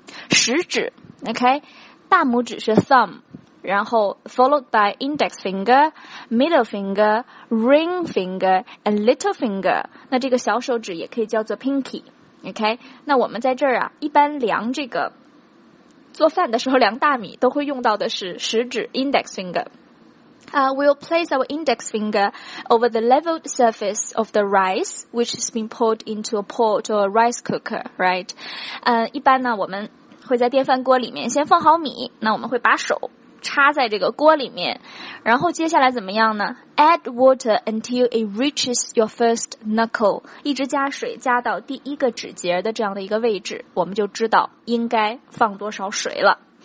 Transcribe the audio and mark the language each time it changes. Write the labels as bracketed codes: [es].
[zh] 食指。 [en] OK， [zh] 大拇指是 [en] thumb， [zh] 然后 [en] followed by index finger, middle finger, ring finger, and little finger. [zh] 那这个小手指也可以叫做 pinky. [en] OK? [zh] 那我们在这儿啊，一般量这个做饭的时候量大米都会用到的是食指 index finger. [en] We'll place our index finger over the leveled surface of the rice, which has been poured into a pot or a rice cooker, right? [zh] 一般呢，我们会在电饭锅里面先放好米，那我们会把手插在这个锅里面，然后接下来怎么样呢？ [en] Add water until it reaches your first knuckle， [zh] 一直加水加到第一个指节的这样的一个位置，我们就知道应该放多少水了。